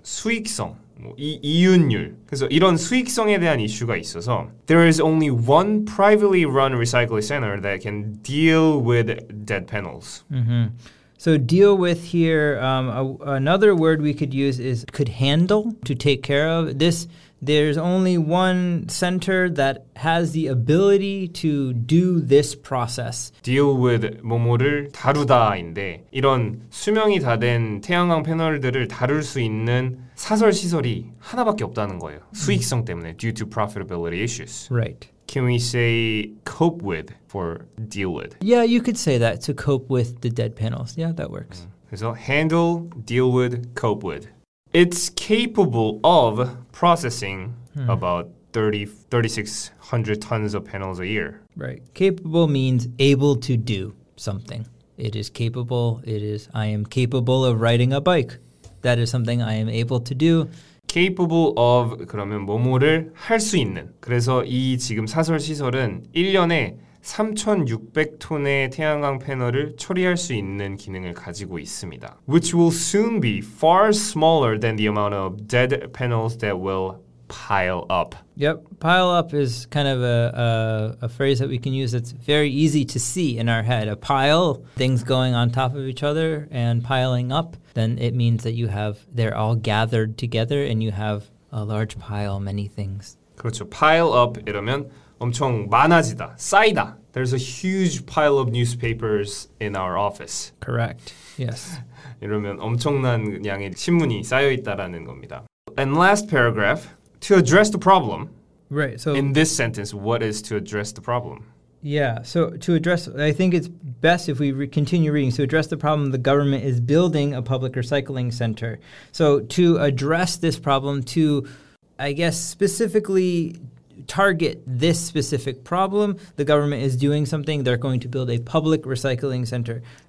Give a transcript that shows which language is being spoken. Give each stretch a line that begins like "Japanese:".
Korean: 수익성, 뭐 이윤율. 그래서 이런 수익성에 대한 이슈가 있어서
English: There is only one privately run recycling center that can deal with dead panels. Mm-hmm. So deal with here, another word we could use is could handle, to take care of. This, there's only one center that has the ability to do this process.
Korean: Deal with 뭐뭐를 다루다인데 이런 수명이 다 된 태양광 패널들을 다룰 수 있는 사설 시설이 하나밖에 없다는 거예요. 수익성 때문에,
English: due to profitability issues. Right. Can we say cope with for deal with? Yeah, you could say that, to cope with the dead panels. Yeah, that works. So handle, deal with, cope with. It's capable of processing about 3,600 tons of panels a year. Right. Capable means able to do something. It is capable. I am capable of riding a bike. That is something I am able to do.
Korean: Capable of 그러면 뭐뭐를 할 수 있는. 그래서 이 지금 사설 시설은 1년에 3,600톤의 태양광 패널을 처리할 수 있는 기능을 가지고 있습니다.
English: Which will soon be far smaller than the amount of dead panels that will pile up. Yep, pile up is kind of a phrase that we can use that's very easy to see in our head. A pile, things going on top of each other and piling up. Then it means that they're all gathered together and you have a large pile, many things.
Korean: 그렇죠. Pile up 이러면 엄청 많아지다, 쌓이다.
English: There's a huge pile of newspapers in our office. Correct, yes.
Korean: 이러면 엄청난 양의 신문이 쌓여 있다라는 겁니다.
English: And last paragraph, to address the problem. Right, so in this sentence, what is to address the problem? Yeah, so to address, I think it's best if we continue reading. So address the problem, the government is building a public recycling center. So to address this problem, to, I guess, specifically target this specific problem, the government is doing something, they're going to build a public recycling center.